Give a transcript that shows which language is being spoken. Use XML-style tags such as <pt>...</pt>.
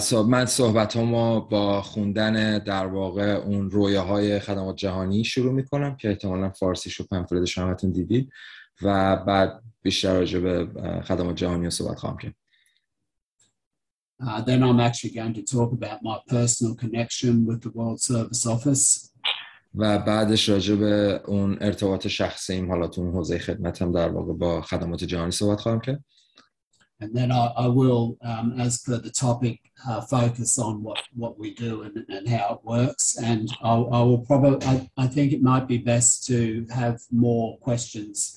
<fa>So من صحبتامو با خوندن در واقع اون رویاهای خدمات جهانی شروع میکنم که احتمالاً فارسیشو پمفلتشو همتون دیدید و بعد بیشتر راجع به خدمات جهانی صحبت خواهم کرد.</fa> <en>Then I'm actually going to talk about my personal connection with the World Service Office.</en> <fa>و بعدش راجع به اون ارتباط شخصیم حالا تو اون حوزه خدمتم در واقع با خدمات جهانی صحبت خواهم کرد.</fa> <en>And then I will, as per the topic, focus on what we do and how it works. And I will probably, I think it might be best to have more questions.</en>